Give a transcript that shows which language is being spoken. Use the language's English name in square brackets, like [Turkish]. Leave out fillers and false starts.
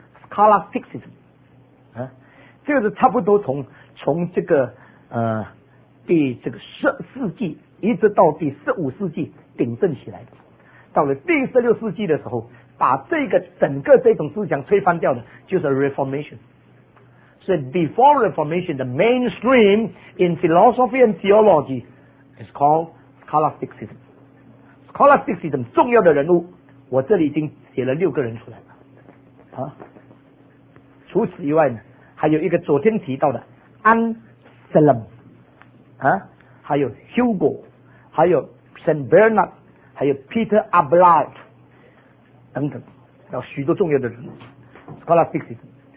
[Chinese] Scholasticism、这个是差不多从这个第这个十世纪一直到第十五世纪鼎盛起来的。到了第十六世纪的时候，把这个整个这种思想推翻掉的就是 Reformation。所以 [English] Before Reformation the mainstream in philosophy and theology is calledScholasticism， Scholasticism [Chinese] 重要的人物，我这里已经写了六个人出来了。除此以外呢，还有一个昨天提到的 Anselm， 还有 Hugo， 还有 Saint Bernard， 还有 Peter Abelard 等等，有许多重要的人物 Scholasticism。